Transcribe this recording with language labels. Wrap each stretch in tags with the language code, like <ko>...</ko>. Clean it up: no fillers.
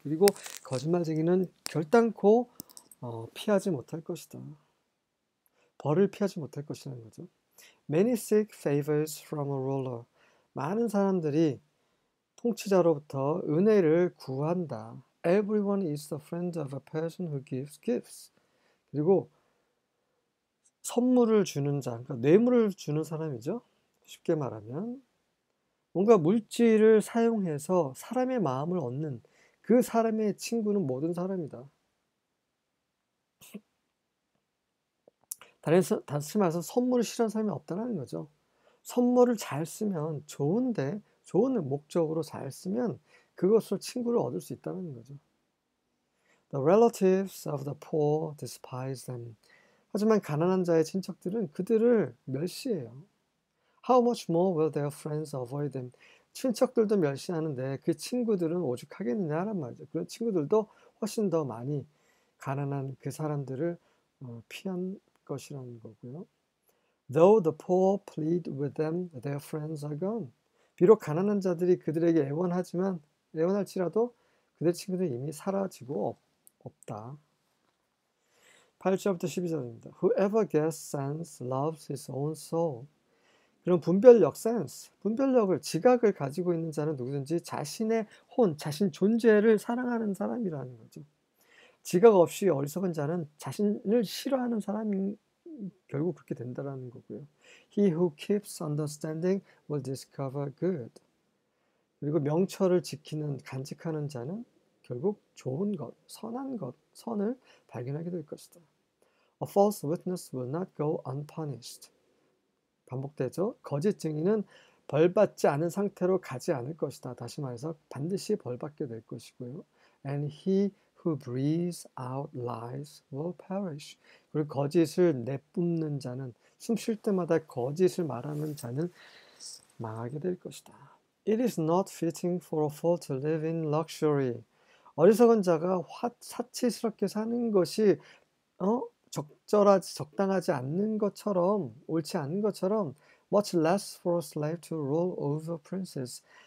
<ko>그리고 거짓말쟁이는 결단코 피하지 못할 것이다. 벌을 피하지 못할 것이라는 거죠.</ko> <en>Many seek favors from a ruler.</en> <ko>많은 사람들이 통치자로부터 은혜를 구한다.</ko> <en>Everyone is the friend of a person who gives gifts.</en> <ko>그리고 선물을 주는 자, 그러니까 뇌물을 주는 사람이죠. 쉽게 말하면 뭔가 물질을 사용해서 사람의 마음을 얻는 그 사람의 친구는 모든 사람이다. 다시 말해서 선물을 싫어하는 사람이 없다는 거죠. 선물을 잘 쓰면 좋은데, 좋은 목적으로 잘 쓰면 그것으로 친구를 얻을 수 있다는 거죠.</ko> <en>The relatives of the poor despise them.</en> <ko>하지만 가난한 자의 친척들은 그들을 멸시해요.</ko> <en>How much more will their friends avoid them?</en> <ko>친척들도 멸시하는데 그 친구들은 오죽하겠느냐란 말이죠. 그런 친구들도 훨씬 더 많이 가난한 그 사람들을 피한 것이라는 거고요.</ko> <en>Though the poor plead with them, their friends are gone.</en> <ko>비록 가난한 자들이 그들에게 애원할지라도 그들 친구들은 이미 사라지고 없다. 8절부터 12절입니다.</ko> <en>Whoever gets sense loves his own soul.</en> <ko>그런 분별력 sense, 분별력을 지각을 가지고 있는 자는 누구든지 자신의 혼, 자신 존재를 사랑하는 사람이라는 거죠. 지각 없이 어리석은 자는 자신을 싫어하는 사람이 결국 그렇게 된다라는 거고요.</ko> <en>He who keeps understanding will discover good.</en> <ko>그리고 명철을 지키는 간직하는 자는 결국 좋은 것, 선한 것, 선을 발견하게 될 것이다.</ko> <en>A false witness will not go unpunished.</en> <ko>반복되죠. 거짓 증인은 벌받지 않은 상태로 가지 않을 것이다. 다시 말해서 반드시 벌받게 될 것이고요.</ko> <en>And he who breathes out lies will perish.</en> <ko>그리고 거짓을 내뿜는 자는 숨쉴 때마다 거짓을 말하는 자는 망하게 될 것이다.</ko> <en>It is not fitting for a fool to live in luxury.</en> <ko>어리석은 자가 사치스럽게 사는 것이 적당하지 않는 것처럼, 옳지 않은 것처럼,</ko> <en>much less for a slave to rule over princes.</en>